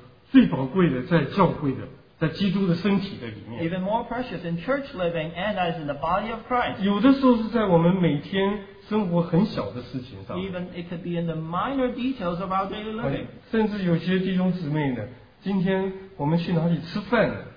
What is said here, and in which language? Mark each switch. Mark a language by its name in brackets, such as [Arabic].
[Chinese] 最宝贵的在教会的, 在基督的身体的里面, [English] even more precious in church living and as in the body of Christ. [Chinese] 有的时候是在我们每天生活很小的事情上, [English] even it could be in the minor details of our daily living. [Chinese] 甚至有些弟兄姊妹呢, 今天我们去哪里吃饭,